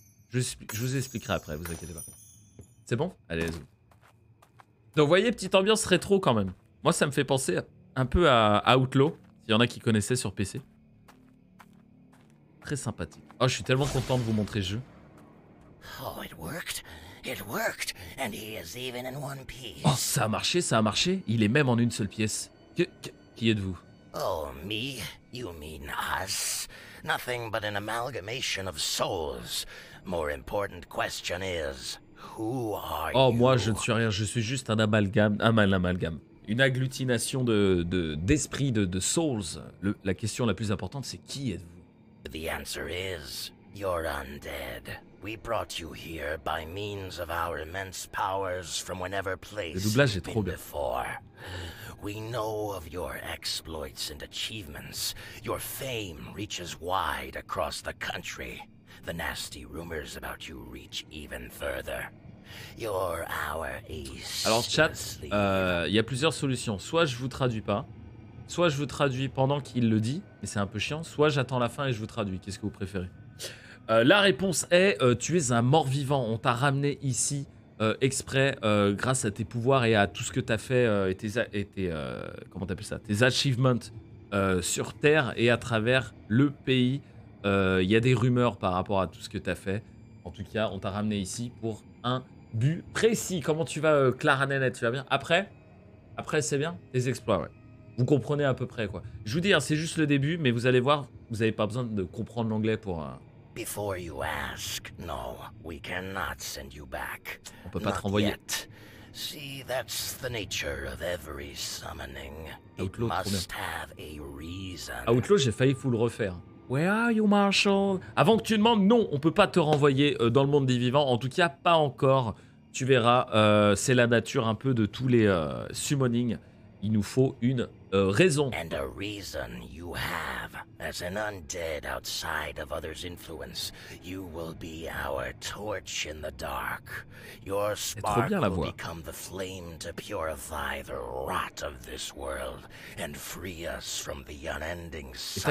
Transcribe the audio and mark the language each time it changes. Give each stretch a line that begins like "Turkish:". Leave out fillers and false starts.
French: Je vous expliquerai après, vous inquiétez pas. C'est bon? Allez,
English: let's go.
French: Donc voyez, petite ambiance rétro quand même. Moi ça me fait penser un peu à Outlaw, s'il y en a qui connaissaient sur PC. Très sympathique. Oh, je suis tellement content de vous montrer le jeu.
English: Oh, it worked. It worked, and he is even in one piece.
French: Oh, ça a marché, ça a marché. Il est même en une seule pièce. Qui êtes-vous?
English: Oh, me? You mean us? Nothing but an amalgamation of souls. More important question is, who are you?
French: Oh, moi, je ne suis rien. Je suis juste un amalgame. Une agglutination d'esprit, de souls. La question la plus importante, c'est qui êtes-vous?
English: The answer is, you're undead. We brought you here by means of our immense powers from whenever place.
French: Le doublage est trop bien.
English: Before. We know of your exploits and achievements. Your fame reaches wide across the country. The nasty rumors about you reach even further. You're our ace.
French: Alors chat, il y a plusieurs solutions. Soit je vous traduis pas, soit je vous traduis pendant qu'il le dit, mais c'est un peu chiant, soit j'attends la fin et je vous traduis. Qu'est-ce que vous préférez? La réponse est, tu es un mort-vivant, on t'a ramené ici exprès grâce à tes pouvoirs et à tout ce que t'as fait tes achievements sur Terre et à travers le pays. Il y a des rumeurs par rapport à tout ce que t'as fait. En tout cas, on t'a ramené ici pour un but précis. Comment tu vas, Clara Nenette? Tu vas bien? Après, c'est bien? Les exploits, ouais. Vous comprenez à peu près, quoi. Je vous dis, hein, c'est juste le début, mais vous allez voir, vous n'avez pas besoin de comprendre l'anglais pour...
English: Before you ask, no, we cannot send you back.
French: On peut pas te renvoyer.
English: Not yet. See, that's the nature of every summoning. Outlaw, it must have a reason.
French: Outlaw, j'ai failli vous le refaire.
English: Where are you, Marshall?
French: Avant que tu demandes, non, on peut pas te renvoyer dans le monde des vivants. En tout cas, pas encore. Tu verras, c'est la nature un peu de tous les summonings. Il nous faut une raison.
English: And a reason you have. As an undead outside of others' influence, you will be our torch in the dark. Your spark
French: bien,
English: will become the flame to purify the rot of this world and free us from the unending cycle.